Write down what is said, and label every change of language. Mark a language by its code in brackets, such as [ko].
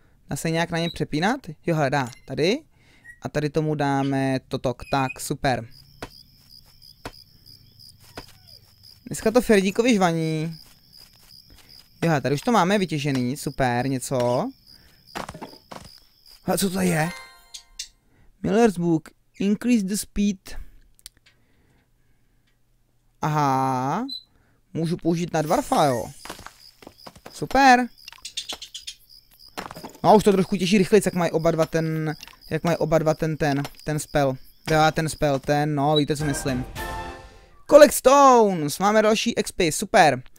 [cs] Dá se nějak na ně přepínat? Jo, hledá, tady. A tady tomu dáme totok, tak super. Dneska to Ferdíkovi žvaní. Jo, tady už to máme vytěžený, super, něco. A co to je? [en] Miller's Book, increase the speed. [cs] Aha, můžu použít na dwarfa, jo. Super. No už to trošku těží rychlejc, jak mají oba dva ten, jak mají oba dva ten spell. Jo, ten spell, ten, no víte co myslím. [en] Collect stones, [cs] máme další XP, super.